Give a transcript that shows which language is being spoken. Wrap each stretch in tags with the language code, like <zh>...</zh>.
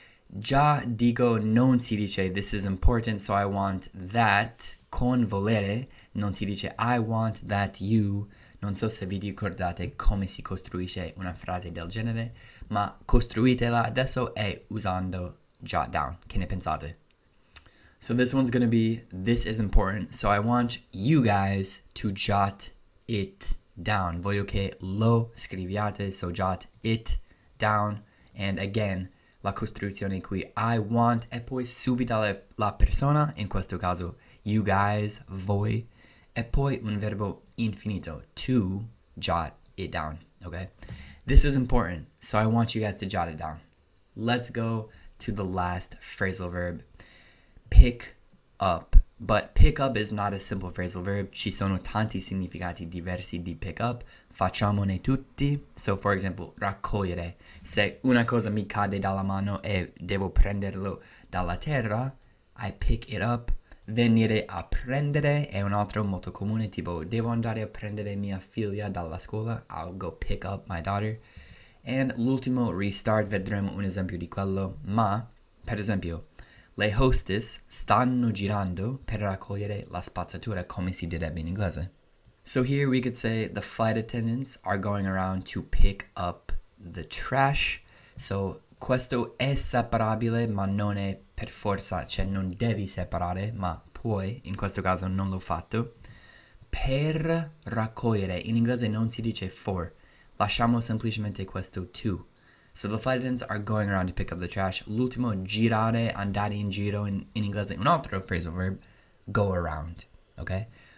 <it>Già dico, non si dice</it> <en>this is important, so I want that.</en> <it>Con volere non si dice</it> <en>I want that you.</en> <it>Non so se vi ricordate come si costruisce una frase del genere, ma costruitela adesso e usando jot down. Che ne pensate?</it> <en>So this one's gonna be, this is important, so I want you guys to jot it down.</en> <it>Voglio che lo scriviate,</it> <en>so jot it down. And again,</en> <it>la costruzione qui,</it> <en>I want,</en> <it>e poi subito la persona, in questo caso,</it> <en>you guys,</en> <it>voi. E poi un verbo infinito,</it> <en>to jot it down, okay? This is important, so I want you guys to jot it down. Let's go to the last phrasal verb, pick up. But pick up is not a simple phrasal verb.</en> <it>Ci sono tanti significati diversi di pick up. Facciamone tutti.</it> <en>So, for example,</en> <it>raccogliere. Se una cosa mi cade dalla mano e devo prenderlo dalla terra,</it> <en>I pick it up.</en> <it>Venire a prendere è un altro molto comune, tipo devo andare a prendere mia figlia dalla scuola,</it> <en>I'll go pick up my daughter.</en> <it>E l'ultimo, restart, vedremo un esempio di quello. Ma, per esempio, le hostess stanno girando per raccogliere la spazzatura, come si direbbe in inglese.</it> <en>So here we could say the flight attendants are going around to pick up the trash.</en> <it>So questo è separabile, ma non è per forza, cioè non devi separare, ma puoi, in questo caso non l'ho fatto. Per raccogliere, in inglese non si dice for, lasciamo semplicemente questo to.</it> <en>So the flight attendants are going around to pick up the trash.</en> <it>L'ultimo, girare, andare in giro, in inglese un altro phrasal verb, go around, okay?</it>